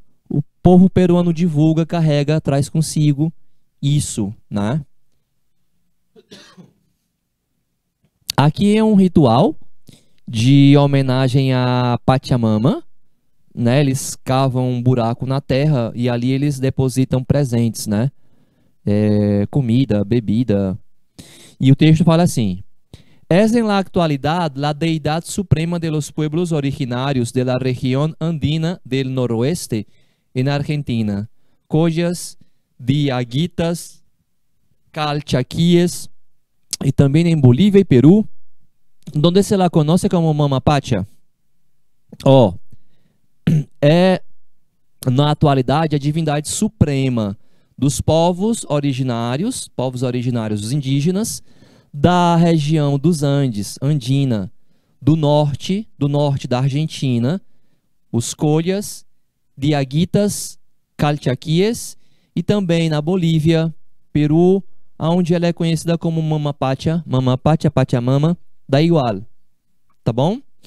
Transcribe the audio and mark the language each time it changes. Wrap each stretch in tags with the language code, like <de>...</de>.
<pt>O povo peruano divulga, carrega, traz consigo isso, né? Aqui é um ritual de homenagem à Pachamama, né? Eles cavam um buraco na terra e ali eles depositam presentes, né? Comida, bebida.</pt> <es>E o texto fala assim: Es en la actualidad la deidad suprema de los pueblos originarios de la región andina del noroeste en Argentina, collas, diaguitas, calchaquíes, y también en Bolivia y Perú, donde se la conoce como Mama Pacha.</es> <pt>Ó, é na atualidade a divindade suprema dos povos originários, os indígenas, da região dos Andes, Andina, do norte da Argentina, os collas, diaguitas, calchaquíes, e também na Bolívia, Peru, onde ela é conhecida como Mama Pacha, Pachamama,</pt> <es>da igual.</es> <pt>Tá bom?</pt>